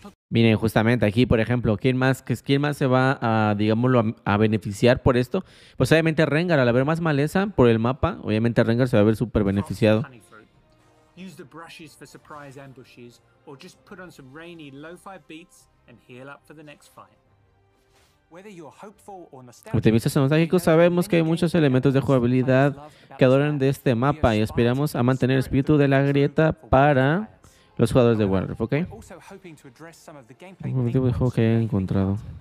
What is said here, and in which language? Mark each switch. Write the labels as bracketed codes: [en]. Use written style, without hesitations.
[es] Miren, justamente aquí, por ejemplo, ¿quién más se va a, digámoslo, a beneficiar por esto? Pues obviamente Rengar, al haber más maleza por el mapa, obviamente Rengar se va a ver súper beneficiado. [en] Use the brushes for surprise ambushes, or just put on some rainy lo-fi beats and heal up for the next fight. Whether you're hopeful or nostalgic, [es] optimistas o nostálgicos, sabemos que hay muchos elementos de jugabilidad que adoran de este mapa y aspiramos a mantener el espíritu de la grieta para los jugadores de Warcraft, ¿ok? Un objetivo de juego que he encontrado.